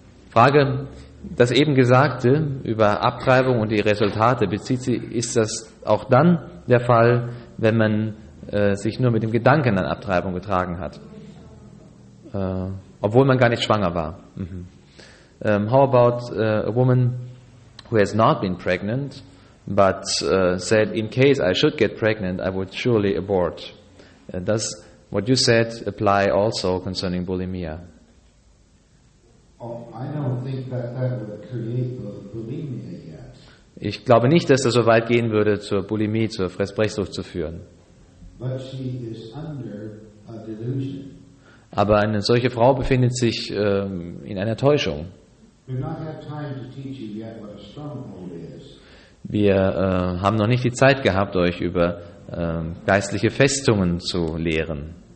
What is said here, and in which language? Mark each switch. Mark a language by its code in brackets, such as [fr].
[de] Frage, das eben Gesagte über Abtreibung und die Resultate, bezieht sie, ist das auch dann der Fall, wenn man sich nur mit dem Gedanken an Abtreibung getragen hat? Obwohl man gar nicht schwanger war. [en] How about a woman who has not been pregnant, but said, in case I should get pregnant, I would surely abort. Does what you said apply also concerning bulimia? I don't think that that would create bulimia yet. [de] Ich glaube nicht, dass das so weit gehen würde, zur Bulimie, zur Fressbrechsucht zu führen. [en] But she is under a delusion. [de] Aber eine solche Frau befindet sich in einer Täuschung. Wir haben noch nicht die Zeit gehabt, euch über geistliche Festungen zu lehren.